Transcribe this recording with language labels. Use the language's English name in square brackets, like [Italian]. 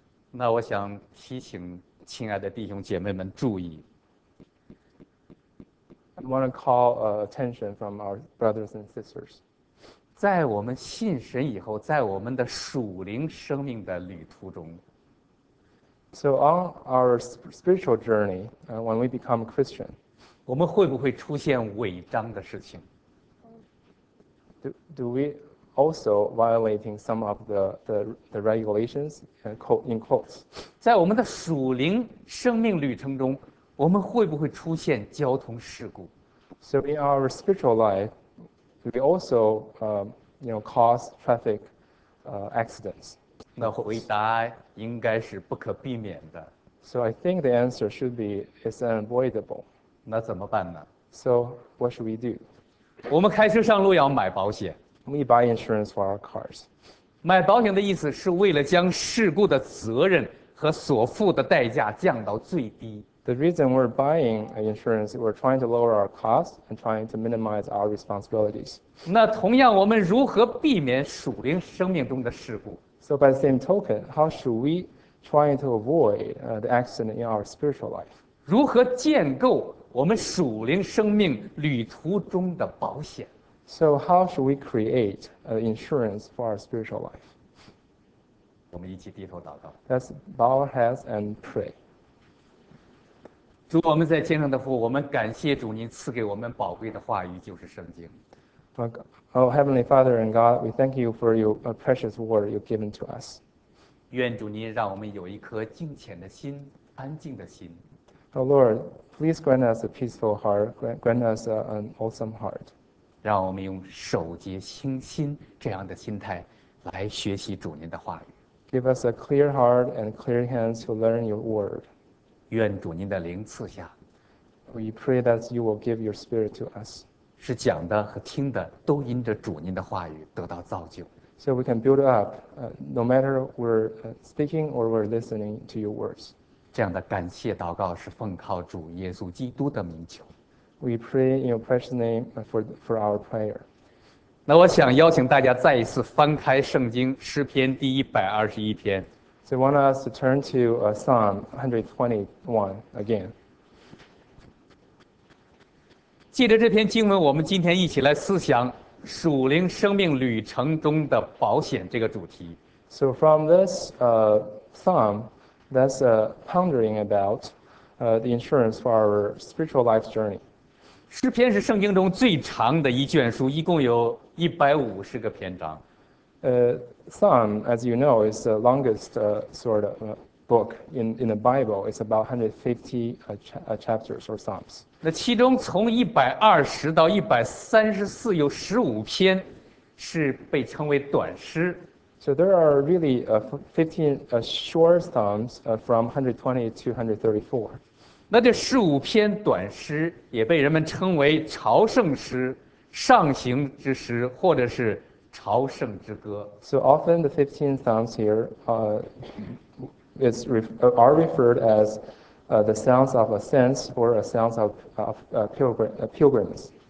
[Chinese] 那我想提醒亲爱的弟兄姐妹们注意。 [English] I want to call attention from our brothers and sisters. [Chinese] 在我们信神以后，在我们的属灵生命的旅途中， [English] So on our spiritual journey, when we become Christian, [Chinese] 我们会不会出现违章的事情？ [English] Do we also violating some of the regulations in quotes? [Chinese] 在我们的属灵生命旅程中，我们会不会出现交通事故？ [English] So in our spiritual life, we also cause traffic accidents. [Chinese] 那回答应该是不可避免的。 [English] So I think the answer should be it's unavoidable. [Chinese] 那怎么办呢？ [English] So what should we do? [Chinese] 我们开车上路要买保险。 [English] We buy insurance for our cars. [Chinese] 买保险的意思是为了将事故的责任和所付的代价降到最低。 [English] The reason we're buying insurance, we're trying to lower our costs and trying to minimize our responsibilities. [Chinese] 那同样，我们如何避免属灵生命中的事故？ [English] So by the same token, how should we try to avoid the accident in our spiritual life? [Chinese] 如何建构我们属灵生命旅途中的保险？ [English] So how should we create insurance for our spiritual life? [Chinese] 我们一起低头祷告。 [English] Let's bow our heads and pray. [Chinese] 主，我们在天上的父，我们感谢主，您赐给我们宝贵的话语，就是圣经。 [English] Oh, Heavenly Father and God, we thank you for your precious word you've given to us. [Chinese] 愿主您让我们有一颗敬虔的心，安静的心。 [English] Oh Lord, please grant us a peaceful heart, grant us an awesome heart. [Chinese] 让我们用守节清心这样的心态来学习主您的话语。 [English] Give us a clear heart and clear hands to learn your word. [Chinese] 愿主您的灵赐下。 [English] We pray that you will give your spirit to us. [Chinese] 是讲的和听的都因着主您的话语得到造就。 [English] So we can build up, no matter we're speaking or we're listening to your words. [Chinese] 这样的感谢祷告是奉靠主耶稣基督的名求。 [English] We pray in your precious name for our prayer. [Chinese] 那我想邀请大家再一次翻开圣经诗篇第121篇。 [English] So I want us to turn to Psalm 121 again. [Chinese] 借着这篇经文，我们今天一起来思想属灵生命旅程中的保险这个主题。 [English] So from this Psalm, that's pondering about the insurance for our spiritual life's journey. [Chinese] 诗篇是圣经中最长的一卷书，一共有150个篇章。 [English] Psalm, as you know, is the longest sort of book in the Bible. It's about 150 chapters or psalms. [Chinese] 那其中从120到134有15篇是被称为短诗。 [English] So there are really 15 short psalms from 120 to 134. [Chinese] 那这十五篇短诗也被人们称为朝圣诗、上行之诗，或者是。朝圣之歌。 [English] So often the 15 psalms here are referred as the sounds of ascents or a sounds of pilgrims.